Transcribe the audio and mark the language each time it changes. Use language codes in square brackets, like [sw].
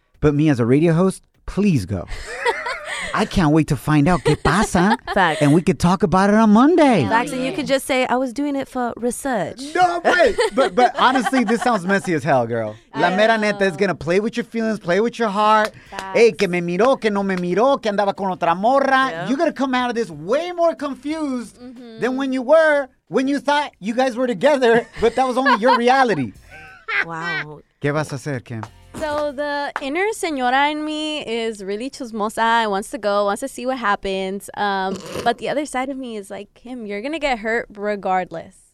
[en] But me as a radio host, please go. I can't wait to find out [es] qué pasa. [en] Facts. And we could talk about it on Monday. Yeah. Facts, and you could just say, I was doing it for research. No, wait. But honestly, this sounds messy as hell, girl. [es] La mera neta [en] is going to play with your feelings, play with your heart. Facts. [es] Hey, que me miró, que no me miró, que andaba con otra morra. [en] Yep. You're going to come out of this way more confused than when you were, when you thought you guys were together, but that was only your reality. Wow. [es] ¿Qué vas a hacer, Kim? [en] So the inner señora in me is really chismosa. It wants to go, wants to see what happens. But the other side of me is like, Kim, you're going to get hurt regardless.